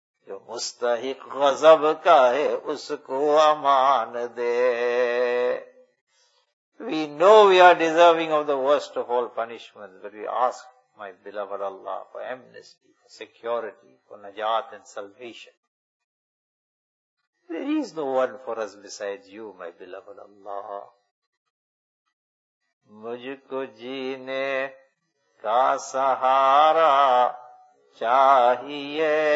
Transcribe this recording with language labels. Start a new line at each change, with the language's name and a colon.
Urdu: جو مستحق غضب کا ہے اس کو امان دے.
English: We know we are deserving of the worst of all punishments, but we ask, my beloved Allah, for amnesty, for security, for najat and salvation. There is no one for us besides you, my beloved Allah.
Urdu: مجھ کو جینے کا سہارا چاہیے